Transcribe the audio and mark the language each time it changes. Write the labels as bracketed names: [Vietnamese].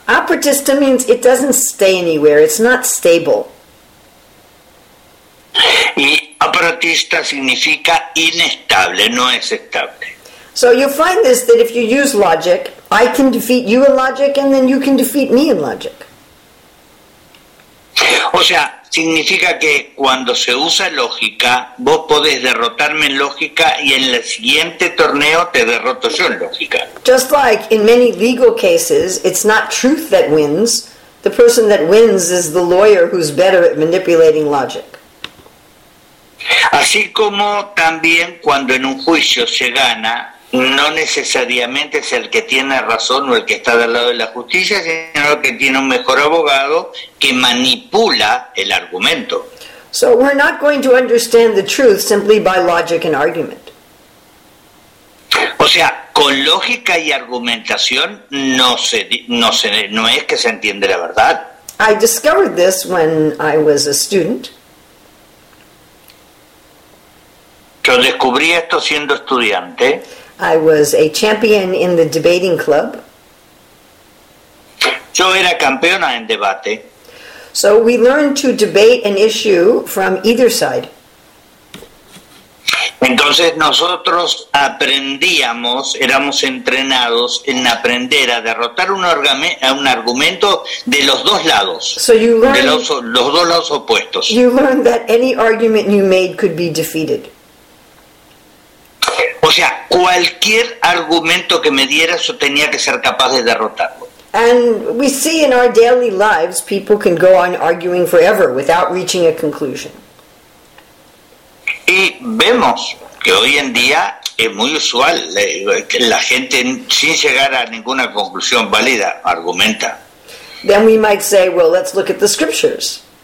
[English] Apratista means it doesn't stay anywhere, it's not stable. [Spanish] Y apratista significa inestable, no es estable. [English] So you find this, that if you use logic, I can defeat you in logic and then you can defeat me in logic. [Spanish] O sea, significa que cuando se usa lógica, vos podés derrotarme en lógica y en el siguiente torneo te derroto yo en lógica. [English] Just like in many legal cases, it's not truth that wins. The person that wins is the lawyer who's better at manipulating logic. [Spanish] Así como también cuando en un juicio se gana, no necesariamente es el que tiene razón o el que está del lado de la justicia, sino el que tiene un mejor abogado que manipula el argumento. [English] So we're not going to understand the truth simply by logic and argument. [Spanish] O sea, con lógica y argumentación no es que se entiende la verdad. [English] I discovered this when I was a student. [Spanish] Yo descubrí esto siendo estudiante. [English] I was a champion in the debating club. [Spanish] Yo era campeona en debate. [English] So we learned to debate an issue from either side. [Spanish] Entonces nosotros aprendíamos, éramos entrenados en aprender a derrotar un argumento de los dos lados, [English] so you learned, [Spanish] de los dos lados opuestos. [English] You learned that any argument you made could be defeated. [Spanish] O sea, cualquier argumento que me diera, yo tenía que ser capaz de derrotarlo. [English] And we see in our daily lives, people can go on arguing forever without reaching a conclusion. [Spanish] Y vemos que hoy en día es muy usual, la gente sin llegar a ninguna conclusión válida, argumenta. [English] Then we might say, well, let's look at the scriptures.